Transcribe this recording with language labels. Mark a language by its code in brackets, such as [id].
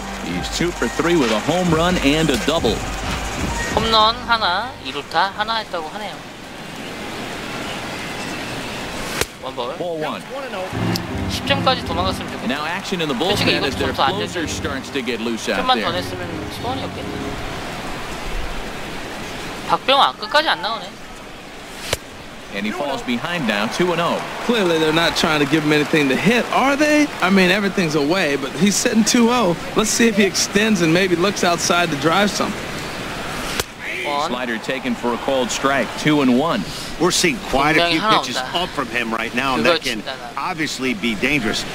[en] He's 2 for 3 with a home run and a double. [ko] 홈런 하나, 2루타 하나 했다고 하네요. 원볼 10점까지 도망갔으면 좋겠다. 솔직히 이것도 점수 안 됐으면 10점만 더 냈으면 소원이 없겠네. 박병완 끝까지 안 나오네. [en] And he falls behind now, 2-0. Clearly, they're not trying to give him anything to hit, are they? I mean, everything's away, but he's sitting 2-0. Let's see if he extends and maybe looks outside to drive something. Slider taken for a called strike, 2-1. We're seeing quite a few pitches up from him right now, and that can obviously be dangerous.